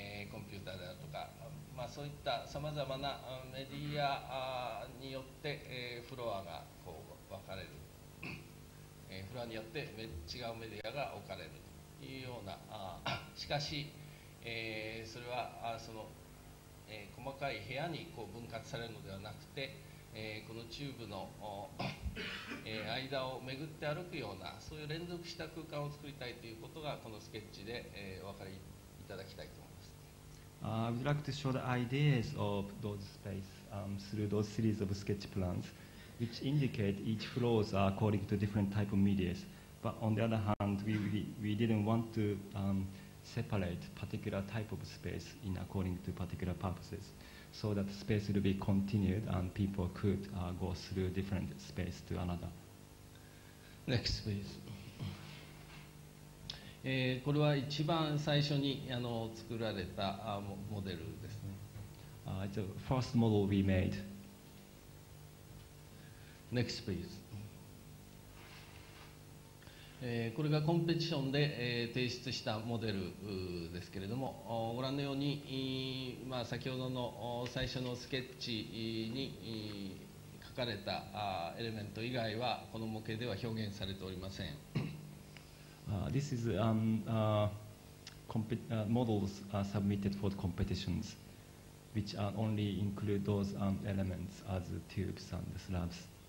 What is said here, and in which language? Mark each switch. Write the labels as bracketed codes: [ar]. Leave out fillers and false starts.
[ja] コンピューターであるとか、まあ、そういったさまざまなメディアによってフロアがこう分かれる、フロアによって違うメディアが置かれるというような、しかしそれはその細かい部屋にこう分割されるのではなくて、このチューブの間を巡って歩くようなそういう連続した空間を作りたいということがこのスケッチでお分かりいただきたいと思います。 [en] I would like to show the ideas of those space、through those series of sketch plans which indicate each floors are according to different type of medias, but on the other hand we didn't want to、separate particular type of space in according to particular purposes so that space will be continued and people could、go through different space to another. Next please. [ja] これは一番最初に作られたモデルですね。 [en] It's the first model we made. Next please. [ja] これがコンペティションで提出したモデルですけれども、ご覧のように、まあ、先ほどの最初のスケッチに書かれたエレメント以外はこの模型では表現されておりません。 [en] This is models submitted for the competitions, which only include those elements as tubes and slabs.